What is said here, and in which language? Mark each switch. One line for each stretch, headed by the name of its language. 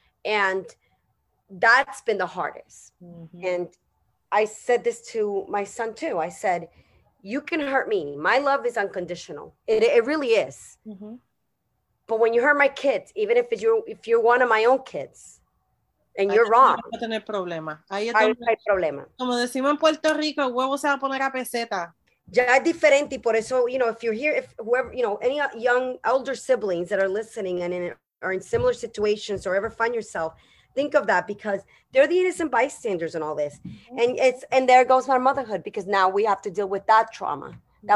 English: And that's been the hardest. Mm-hmm. And I said this to my son too. I said, you can hurt me. My love is unconditional. It really is. Mm-hmm. But when you hurt my kids, even if it's if you're one of my own kids, and you're wrong.
Spanish: No va a tener problema. Hay problema. Como decimos en Puerto Rico, el huevo se va a poner a peseta. Ya es diferente, por eso,
English: you know, if you're here, if whoever, you know, any young elder siblings that are listening and are in similar situations or ever find yourself, think of that, because they're the innocent bystanders in all this. Mm-hmm. And it's, and there goes our motherhood, because now we have to deal with that trauma mm-hmm.